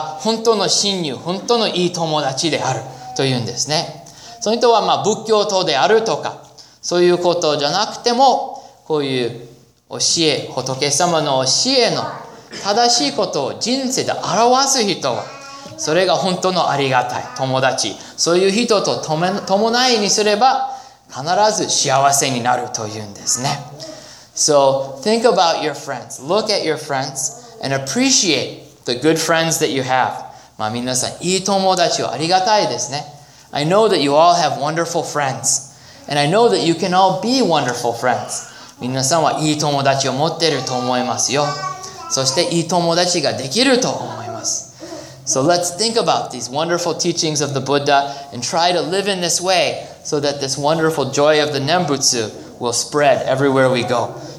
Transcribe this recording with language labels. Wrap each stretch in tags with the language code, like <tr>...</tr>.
<ja>そして親鸞聖人はこういうふうに、他力の信心、仏様の身教えを喜ぶ人は、それは本当の親友、本当のいい友達である。というんですね。その人は仏教徒であるとか、そういうことじゃなくても、こういう教え、仏様の教えの正しいことを人生で表す人は、それが本当のありがたい友達。そういう人と伴いにすれば、必ず幸せになるというんですね。</ja> <en>So think about your friends. Look at your friends and appreciate the good friends that you have.</en> <ja>まあ皆さん、いい友達をありがたいですね。</ja> <en>I know that you all have wonderful friends. And I know that you can all be wonderful friends.</en> <ja>皆さんはいい友達を持ってると思いますよ。そしていい友達ができると思います。</ja> <en>So let's think about these wonderful teachings of the Buddha and try to live in this way so that this wonderful joy of the Nembutsu will spread everywhere we go.</en>